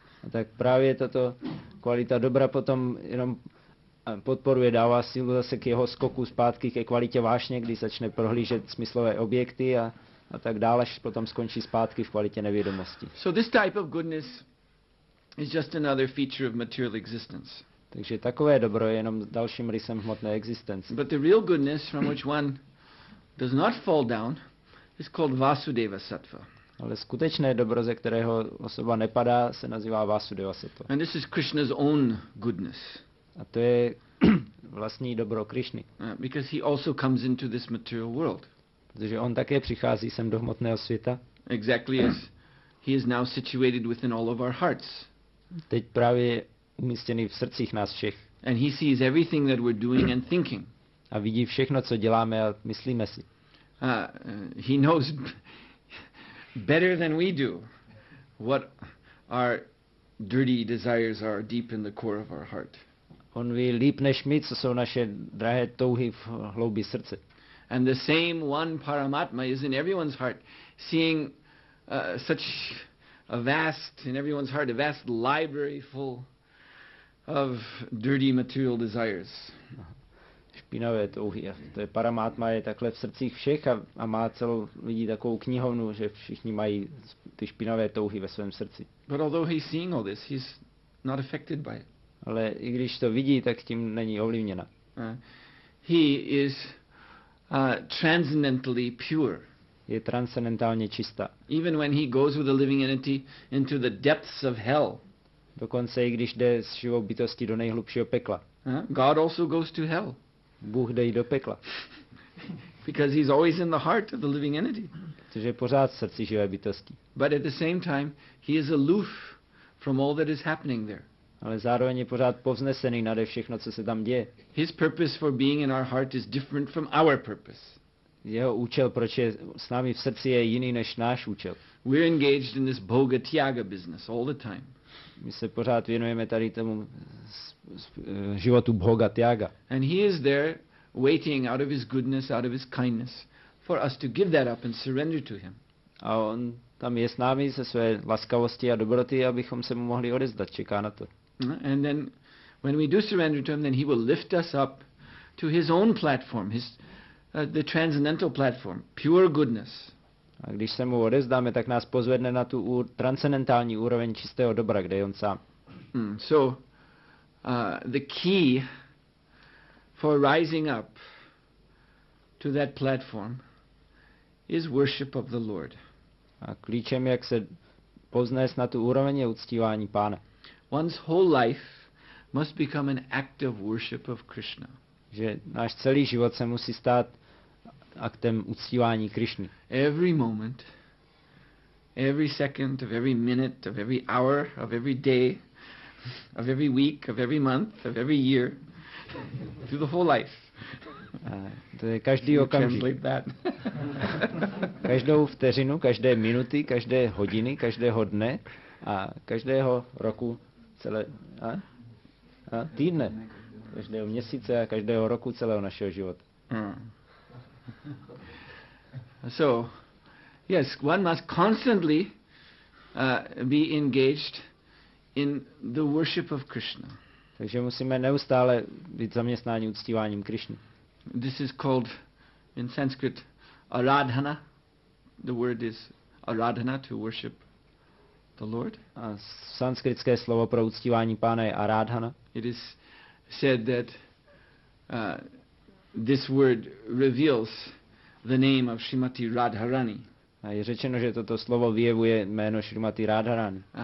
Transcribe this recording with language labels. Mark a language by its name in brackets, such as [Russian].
[Czech] A tak právě tato kvalita dobra potom jenom podporuje, dává sílu zase k jeho skoku zpátky ke kvalitě vášně, kdy začne prohlížet smyslové objekty a tak dále, až potom skončí zpátky v kvalitě nevědomosti. [English] So this type of goodness is just another feature of material existence. [Czech] Takže takové dobro je jenom dalším rysem hmotné existence. [English] But the real goodness from which one does not fall down is called Vasudeva Sattva. [Czech] Ale skutečné dobro, ze kterého osoba nepadá, se nazývá Vasudeva Sattva. [English] And this is Krishna's own goodness. [Czech] A to je vlastní dobro Krishny. [English] Because he also comes into this material world. [Czech] Protože on také přichází sem do hmotného světa. [English] Exactly as he is now situated within all of our hearts. [Czech] Teď právě je umístěný v srdcích nás všech. [English] And he sees everything that we're doing and thinking. [Czech] A vidí všechno, co děláme a myslíme si. [English] He knows better than we do what our dirty desires are deep in the core of our heart. [Czech] On ví líp než my, co jsou naše drahé touhy v hloubi srdce. [English] And the same one Paramatma is in everyone's heart, seeing such a vast, in everyone's heart, a vast library full of dirty material desires. [Czech] Špinavé touhy. To je Paramatma, je takhle v srdcích všech a má celou, vidí takovou knihovnu, že všichni mají ty špinavé touhy ve svém srdci. [English] But although he's seeing all this, he's not affected by it. [Czech] Ale i když to vidí, tak tím není ovlivněna. [English] He is transcendentally pure. [Czech] Je transcendentálně čistá. [English] Even when he goes with a living entity into the depths of hell. [Czech] Dokonce i když jde s živou bytostí do nejhlubšího pekla. [English] God also goes to hell. [Czech] Bůh jde i do pekla. [English] Because he's always in the heart of the living entity. [Czech] Což je pořád v srdci živé bytosti. [English] But at the same time, he is aloof from all that is happening there. [Czech] Ale zároveň je pořád povznesený nade všechno, co se tam děje. [English] His purpose for being in our heart is different from our purpose. [Czech] Jeho účel, proč je s námi v srdci, je jiný než náš účel. [English] We're engaged in this bhoga tyaga business all the time. [Czech] My se pořád věnujeme tady tomu životu bhoga tyaga. [English] And he is there waiting out of his goodness, out of his kindness for us to give that up and surrender to him. [Czech] A on tam je s námi se své laskavosti a dobroty, abychom se mu mohli odezdat, čeká na to. [English] And then when we do surrender to him, then he will lift us up to his own platform, his the transcendental platform, pure goodness. [Czech] A když se mu odezdáme, tak nás pozvedne na tu transcendentální úroveň čistého dobra, kde je on sám. [English] So the key for rising up to that platform is worship of the Lord. [Czech] A klíčem, jak se poznést na tu úroveň, je uctívání Pána. [English] One's whole life must become an act of worship of Krishna. [Czech] Že náš celý život se musí stát aktem uctívání Krišny. [English] Every moment, every second of every minute, of every hour, of every day, of every week, of every month, of every year, through the whole life. [Czech] To je každý okamžik. Každou vteřinu, každé minuty, každé hodiny, každého dne a každého roku, celé a týdne, každého měsíce a každého roku celého našeho života. [English] So, yes, one must constantly be engaged in the worship of Krishna. [Czech] Takže musíme neustále být zaměstnáni uctíváním Krishny. [English] This is called in Sanskrit aradhana. The word is aradhana, to worship. the Lord. [Czech] A sanskritské slovo pro uctívání pána je aradhana. [English] It is said that this word reveals the name of Srimati Radharani. [Czech] A je řečeno, že toto slovo vyjevuje jméno Srimati Radharani.